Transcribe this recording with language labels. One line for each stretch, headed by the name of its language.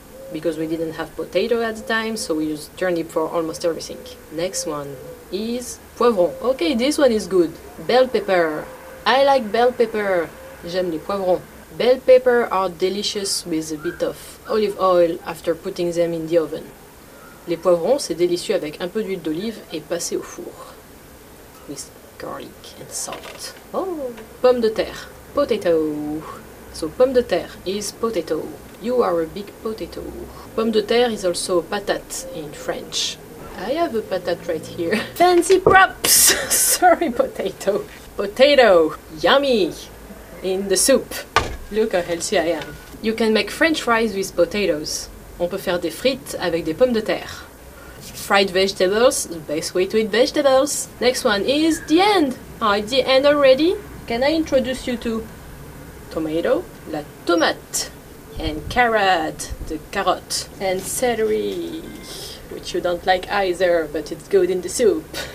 English: Because we didn't have potato at the time, so we used turnip for almost everything. Next one is poivron. Okay, this one is good. Bell pepper. I like bell pepper.
French: J'aime les poivrons.
English: Bell pepper are delicious with a bit of olive oil after putting them in the oven.
French: Les poivrons, c'est délicieux avec un peu d'huile d'olive et passé au four.
English: With garlic and salt. Oh! Pomme de terre. Potato. So, pomme de terre is potato. You are a big potato. Pomme de terre is also patate in French. I have a patate right here. Fancy props! Sorry, potato. Potato! Yummy! In the soup. Look how healthy I am. You can make French fries with potatoes.
French: On peut faire des frites avec des pommes de terre.
English: Fried vegetables, the best way to eat vegetables. Next one is the end. Oh, it's the end already? Can I introduce you to tomato, la tomate, and carrot, the carotte, and celery, which you don't like either, but it's good in the soup.